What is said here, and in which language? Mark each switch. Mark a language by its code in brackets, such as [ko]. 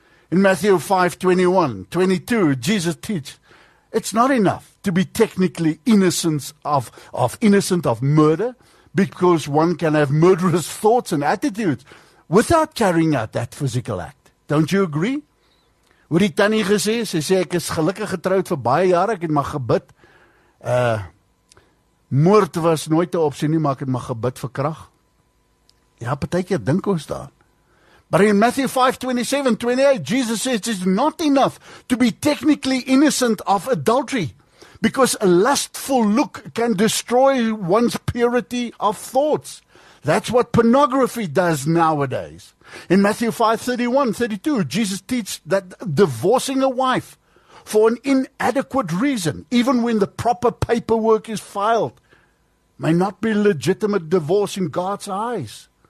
[en] In Matthew 5:21-22, Jesus teaches, it's not enough to be technically innocent of murder, because one can have murderous thoughts and attitudes without carrying out that physical act. Don't you agree? [af] Wat die tannie gesê, sy sê, ek is gelukkig getroud vir baie jare, ek het maar gebid. Moord was nooit 'n opsie nie, maar ek het maar gebid vir krag. Ja, partykeer dink ons daar. [en] But in Matthew 5:27-28, Jesus says it is not enough to be technically innocent of adultery, because a lustful look can destroy one's purity of thoughts. That's what pornography does nowadays. In Matthew 5:31-32, Jesus teaches that divorcing a wife for an inadequate reason, even when the proper paperwork is filed, may not be a legitimate divorce in God's eyes.